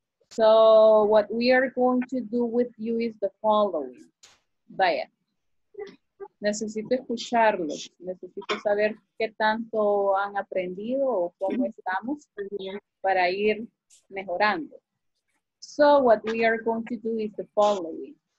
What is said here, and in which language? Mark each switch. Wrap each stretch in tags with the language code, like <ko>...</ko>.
<en>So what we are going to do with you is the following.</en> <es>Vaya. Necesito escucharlos. Necesito saber qué tanto han aprendido o cómo estamos para ir mejorando.</es> <en>So what we are going to do is the following.</en>